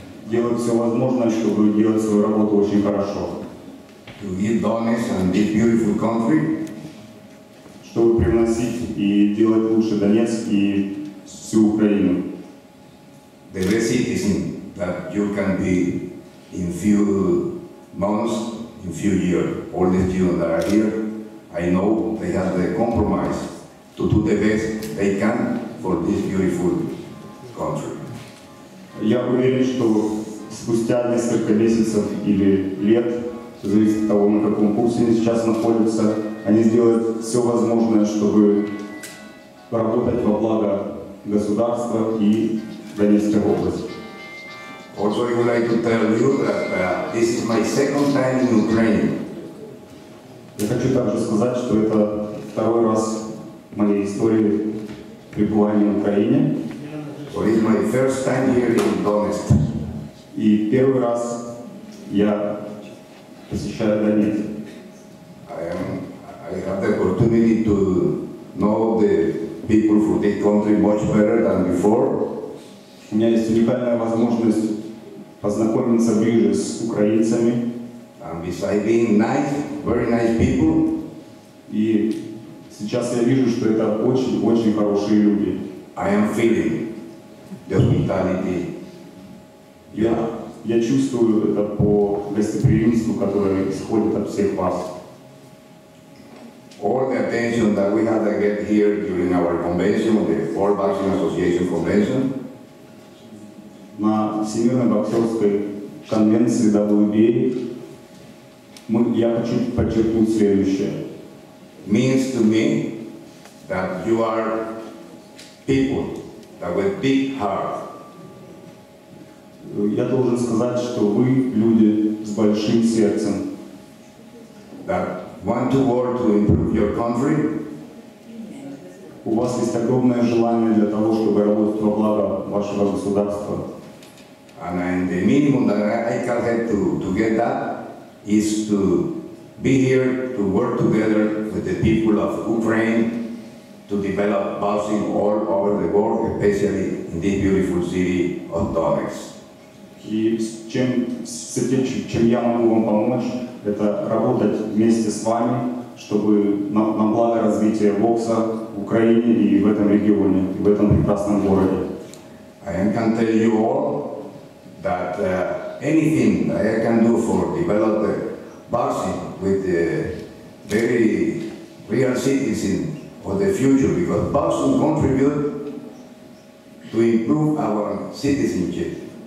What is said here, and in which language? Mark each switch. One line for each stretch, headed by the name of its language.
Russian: Делают все возможное, чтобы делать свою работу очень хорошо.
English: to give Donetsk and this beautiful country.
Russian: Чтобы приносить и делать лучше Донецк и всю Украину.
English: The best citizen that you can be in few months, in few years. All the students that are here, I know they have the compromise to do the best they can for this beautiful country.
Russian: Я уверен, что спустя несколько месяцев или лет, зависит от того, на каком курсе они сейчас находятся, они сделают все возможное, чтобы работать во благо государства и Донецкой области.
English: Also, I would like to tell you that this is my second time in Ukraine.
Russian: Я хочу также сказать, что это второй раз в моей истории пребывания в Украине.
English: Or it's my first time here in Donetsk.
Russian: И первый раз я посещаю Донецк.
English: I have the opportunity to know the people from this country much better than before.
Russian: У меня есть уникальная возможность познакомиться ближе с украинцами.
English: And besides being nice, very nice people.
Russian: И сейчас я вижу, что это очень-очень хорошие люди.
English: I am feeling the hospitality.
Russian: Я чувствую это по гостеприимству, которое исходит от всех вас.
English: All the attention that we had to get here during our convention, the World Boxing Association convention.
Russian: На Всемирной боксерской конвенции WBA я хочу подчеркнуть следующее.
English: Means to me that you are people that with big heart.
Russian: Я должен сказать, что вы люди с большим сердцем.
English: That want to work to improve your country.
Russian: У вас есть огромное желание для того, чтобы работать во благо вашего государства.
English: And the minimum that I can get to get that is to be here to work together with the people of Ukraine to develop boxing all over the world, especially in this beautiful city of Donetsk.
Russian: И чем я могу вам помочь, это работать вместе с вами, чтобы на благо развития бокса в Украине и в этом регионе, и в этом прекрасном городе.
English: I can tell you all, that anything that I can do for developing boxing with the very real citizen of the future, because boxing contribute to improve our citizenship.